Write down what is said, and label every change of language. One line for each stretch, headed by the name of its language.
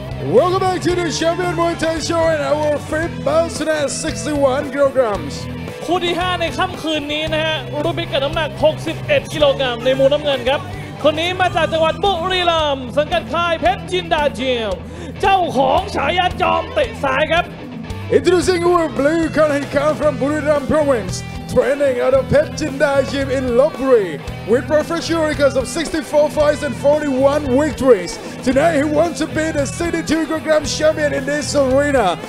English: Welcome back to the Champion Muay Thai Show and our fifth bout at 61 kilograms.
Thai: คู่ที่5ในค่ำคืนนี้นะฮะรุ่นพิกัดน้ำหนัก61กิโลกรัมในมุมน้ำเงินครับคนนี้มาจากจังหวัดบุรีรัมย์สังกัดค่ายเพชรจินดาจิมเจ้าของฉายาจอมเตะสายครับ
English: Introducing our blue color he comes from Buriram Province training at the Pet Jinda Gym in Lopburi with professional records of 64 fights and 41 victories. Tonight he wants to be the 62 kilogram champion in this arena.